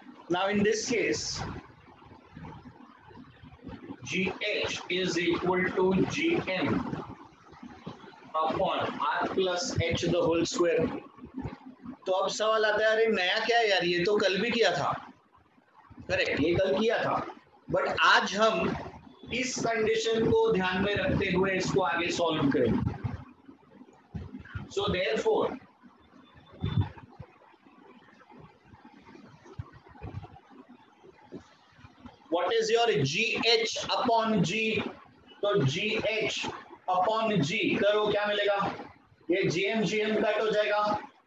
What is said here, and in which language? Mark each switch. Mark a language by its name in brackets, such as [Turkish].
[English] Now in this case, GH is equal to GM upon R plus H the whole square. [Hindi] तो अब सवाल आता है अरे नया क्या है यार ये तो कल भी किया था. करेक्ट ये कल किया था बट आज हम इस कंडीशन को ध्यान में रखते हुए इसको आगे सॉल्व करें. [English] So therefore what is your GH upon G? [Hindi] तो [English] GH upon G [Hindi] करो क्या मिलेगा ये GM GM कट हो जाएगा.